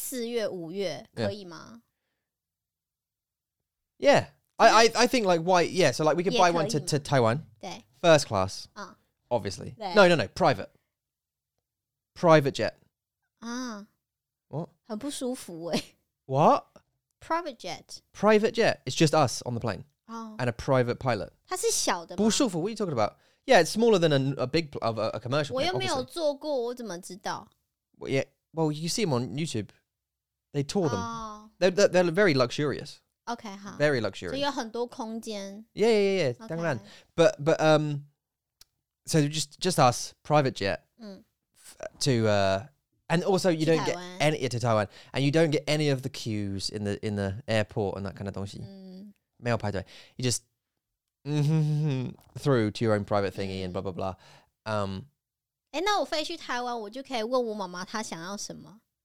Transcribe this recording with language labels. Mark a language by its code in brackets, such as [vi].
[zh] 可是它如果是日期是在比如说4月5月，可以吗? [en] Yeah. I think like why, yeah, so like we could buy one to Taiwan. First class, obviously. No, private. Private jet. What? [zh] 很不舒服欸. [en] What? Private jet. Private jet. It's just us on the plane. Oh. And a private pilot. [zh] 它是小的吗? 不舒服, [en] what are you talking about? Yeah, it's smaller than a big, of a commercial. [zh] 我又没有坐过, 我怎么知道? [en] Well, yeah, well, you see them on YouTube. They tour them. They're very luxurious. [zh] Okay, 好. [en] Very luxurious. [zh] So 有很多空间. [en] Yeah, yeah, yeah, yeah. Okay. [zh] 当然. [en] But, so just us, private jet. And also you don't get any, to Taiwan. And you don't get any of the queues in the airport and that kind of [zh] 东西. 没有排队. [en] You just through to your own private thingy and blah, blah, blah. [zh] 诶，那我飞去台湾，我就可以问我妈妈她想要什么。